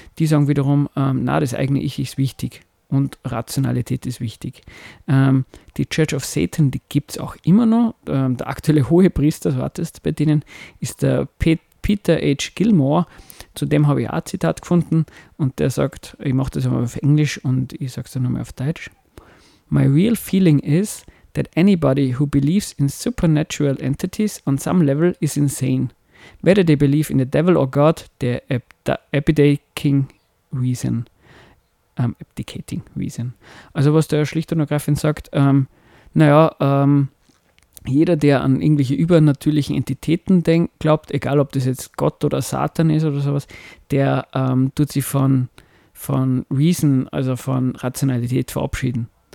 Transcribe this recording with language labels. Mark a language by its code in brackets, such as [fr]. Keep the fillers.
[de] Die sagen wiederum, ähm, na, das eigene Ich ist wichtig und Rationalität ist wichtig. Ähm, die Church of Satan, die gibt es auch immer noch. Ähm, der aktuelle Hohepriester, so hat es bei denen, ist der Pet Peter H. Gilmore. Zu dem habe ich auch ein Zitat gefunden und der sagt, ich mache das einmal auf Englisch und ich sage es dann nochmal auf Deutsch. [en] My real feeling is that anybody who believes in supernatural entities on some level is insane. Whether they believe in the devil or God, they're abda- abdicating reason. Ähm, abdicating reason. [de] Also was der schlicht und ergreifend sagt, ähm, naja, ähm, jeder, der an irgendwelche übernatürlichen Entitäten denkt, glaubt, egal ob das jetzt Gott oder Satan ist oder sowas, der ähm, tut sich von, von Reason, also von Rationalität verabschieden.